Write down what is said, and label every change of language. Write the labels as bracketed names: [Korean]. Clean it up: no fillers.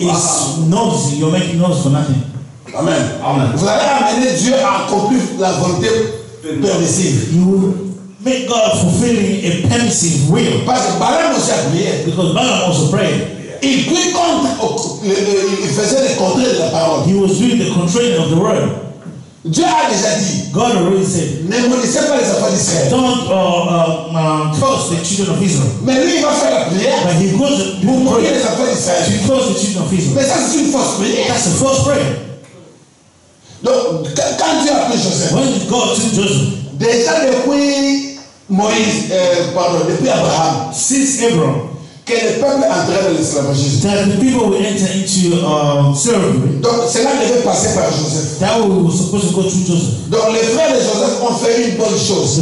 [English] It's noise. You're making noise for nothing. Amen. Amen. [French] Vous allez amener Dieu à accomplir la volonté permissive. [English] You will make God fulfilling a permissive will. [French] Parce que Balaam aussi a prié. [English] Because Balaam also prayed. [French] Il prie contre, il faisait le contraire de la parole. [English] He was doing the contrary of the word. [French] Dieu a déjà dit. [English] God already said. [French] Ne maudissez pas les enfants d'Israël. [English] Don't curse the children of Israel. [French] Mais lui, il va faire la prière. [English] But he goes to pray. [French] Les enfants d'Israël. [English] He curse the children of Israel. [French] Mais ça, c'est une fausse prière. [English] That's a false prayer. [French] Donc, quand Dieu a pris Joseph. [English] When God took Joseph. [French] Déjà depuis Moïse, depuis Abraham. [English] Since Abraham. [French] Que le peuple entrait dans l'esclavage. [English] That the people will enter into slavery. [French] Donc cela devait passer par Joseph. [English] That we were supposed to go through Joseph. [French] Donc les frères de Joseph ont fait une bonne chose.